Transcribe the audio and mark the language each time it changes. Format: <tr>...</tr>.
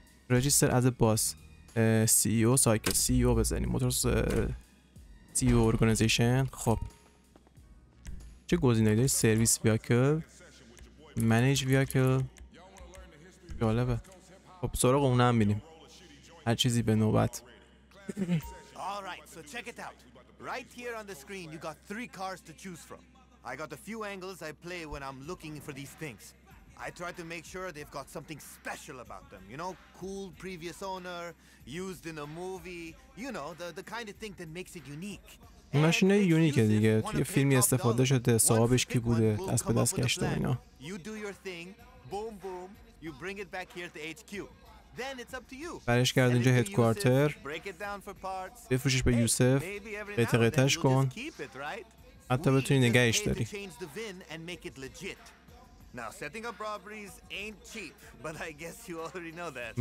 <fa>رجیستر از باس سی او سایکل سی او بزنیم موتورز سی او ارگانیزیشن خب چه گزینه‌ای داری سرویس ویاکل منیج ویاکل جالبه خب سراغ اونه هم بینیم هر چیزی به نوبت</fa> <en>Alright, so check it out. Right here on the screen you got three cars to choose from. I got a few angles I play when I'm looking for these things. I try to make sure they've got something special about them. You know, cool previous owner, used in a movie. You know, the kind of thing that makes it unique.</en> <fa>ماشینه یونیکه دیگه توی فیلمی استفاده شده صاحبش کی بوده دست به دست گشته اینا</fa> <en>You do your thing, boom boom You bring it back here to HQ. Then it's up to you.</en> <fa>برش کرد اینجا هدکوارتر. بفروشش به یوسف. قطعش کن. حتی بتونی نگهش داری.</fa> <en>Now setting up robberies ain't cheap, but I guess you already know that.</en>